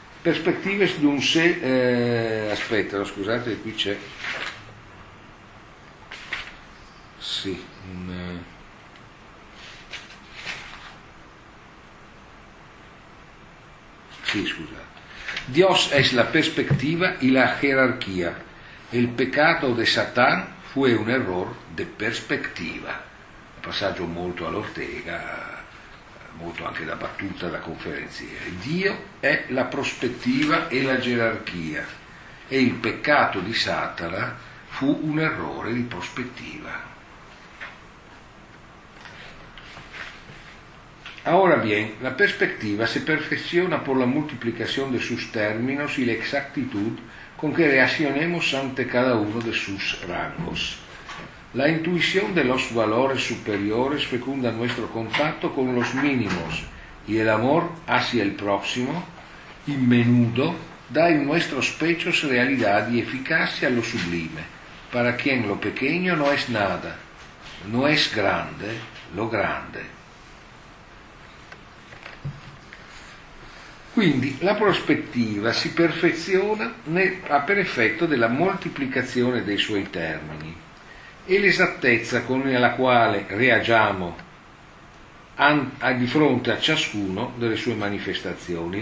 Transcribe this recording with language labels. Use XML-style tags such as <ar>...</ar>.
<it>Perspective d'un sé, aspetta, scusate, qui c'è, sì, sì, scusate.</it> <es>Dios es la perspectiva y la jerarquía. El pecado de Satán fue un error de perspectiva.</es> <it>Passaggio molto all'Ortega. Molto anche da battuta, da conferenziere. Dio è la prospettiva e la gerarchia, e il peccato di Satana fu un errore di prospettiva.</it> <es>Ora bien, la perspectiva se perfeziona por la multiplicación de sus términos y la exactitud con que reaccionemos ante cada uno de sus rangos. La intuición de los valores superiores fecunda nuestro contacto con los mínimos y el amor hacia el próximo, in menudo, da en nuestros pechos realidad y eficacia a lo sublime. Para quien lo pequeño no es nada, no es grande, lo grande.</es> <it>Quindi la prospettiva si perfeziona a per effetto della moltiplicazione dei suoi termini. E l'esattezza con la quale reagiamo di fronte a ciascuno delle sue manifestazioni.</it>